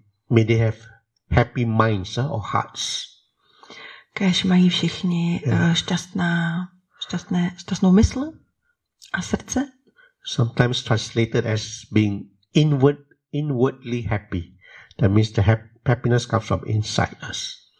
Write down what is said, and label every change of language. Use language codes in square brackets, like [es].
[en] May they have happy minds or hearts. [cs] Kéž mají všichni šťastnou mysl a srdce. [en] Sometimes translated as being inwardly happy. That means the happiness comes from inside us.